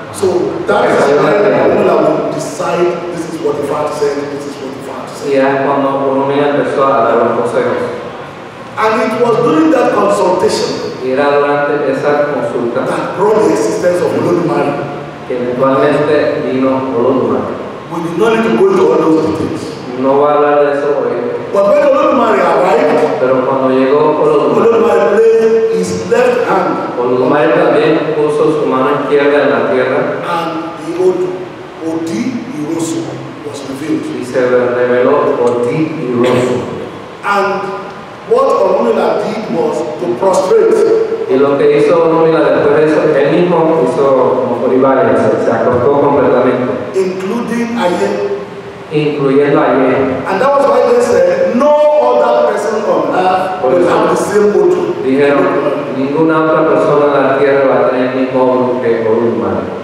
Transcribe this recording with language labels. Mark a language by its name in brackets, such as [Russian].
[English] So that is when Orumina will decide this is what the Father said, this is what the Father said. [Spanish] Y es cuando Orumina empezó a dar los consejos. [English] And it was during that consultation [Spanish] era durante esa consulta [English] that brought the existence of Olodumare. [Spanish] Que eventualmente vino Olodumare. [English] We did not need to go into all those details. [Spanish] No va a hablar de eso hoy. [English] But when Olodumare arrived, [Spanish] pero cuando llegó Olodumare, [English] Olodumare placed his left hand. [Spanish] Olodumare también puso su mano izquierda en la tierra. [English] And the Odu, Odi Iroso, was revealed. [Spanish] Y se reveló Odi Iroso. [English] And what Orumila did was to prostrate. [Spanish] Y lo que hizo Orumila después de eso, él mismo hizo como por varias, se acostó completamente. [English] Including Ayen. [Spanish] Incluyendo Ayen. [English] And that was why they said, no other person on earth will have the same mood. [Spanish] Dijeron, ninguna otra persona en la tierra va a tener el mismo mood que Orumila.